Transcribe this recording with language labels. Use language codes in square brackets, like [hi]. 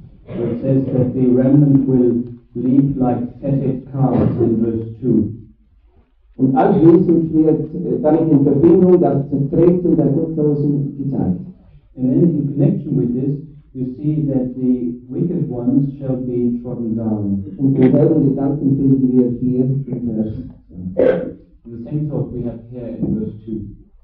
[en] So it says that the remnant will leap like fetid calves in verse 2. [de] Und anschließend wird damit in Verbindung das Zertreten der Gottlosen gezeigt. [en] And then in connection with this, you see that the wicked ones shall be trodden down. [de] Und denselben Gedanken finden wir hier in Vers 2. [en] The same thought we have here in verse 2.